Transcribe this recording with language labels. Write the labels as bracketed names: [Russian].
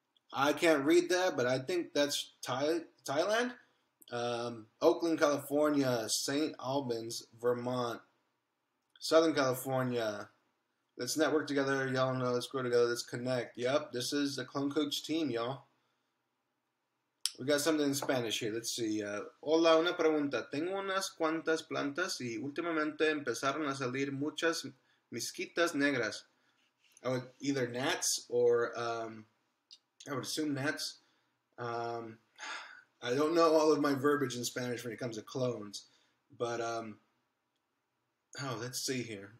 [English] I can't read that, but I think that's Thailand? Oakland, California, St. Albans, Vermont, Southern California. Let's network together, y'all know, let's grow together, let's connect. Yep, this is the Clone Coach team, y'all. We got something in Spanish here, let's see. [Spanish] Hola, una pregunta. Tengo unas cuantas plantas y últimamente empezaron a salir muchas mosquitas negras. [English] I would either gnats or, I would assume gnats. I don't know all of my verbiage in Spanish when it comes to clones, but, let's see here.